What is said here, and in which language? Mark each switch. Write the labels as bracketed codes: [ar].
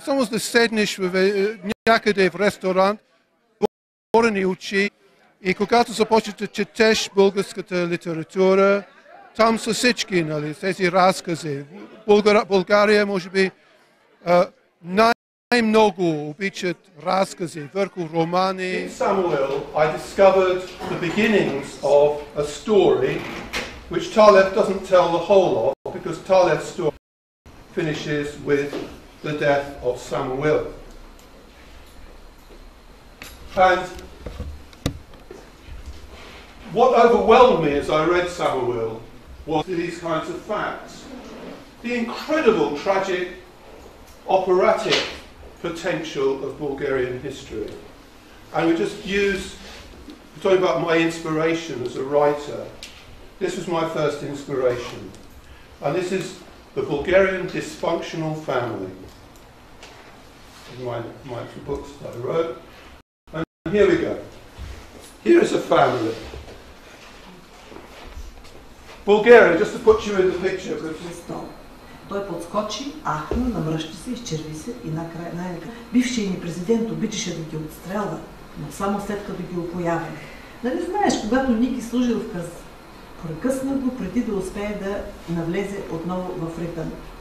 [bg] Само да седнеш в, някъде в ресторант, отворени очи, и когато започнеш да четеш българската литература, там са всички, нали, тези разкази. България може би най-много обичат разкази върху романи. [en] In Samuel, I discovered the beginnings of a story which Taleb doesn't tell the whole of, because Taleb's story finishes with the death of Samuel. And what overwhelmed me as I read Samuel was these kinds of facts. The incredible tragic operatic potential of Bulgarian history. And we just use, talking about my inspiration as a writer, this was my first inspiration. And this is the Bulgarian dysfunctional family. My two books that I wrote. And here we go. Here is a family. Bulgaria, just to put you in the picture, please. [bg] Той подскочи, ахна, намръщи се, изчерви се и накрая най-накрая. Бившият ни президент обичаше да ги отстрелва, но само след като ги опоява. Нали знаеш, когато Ники служи в къс, прекъсна го преди да успее да навлезе отново в ритъм.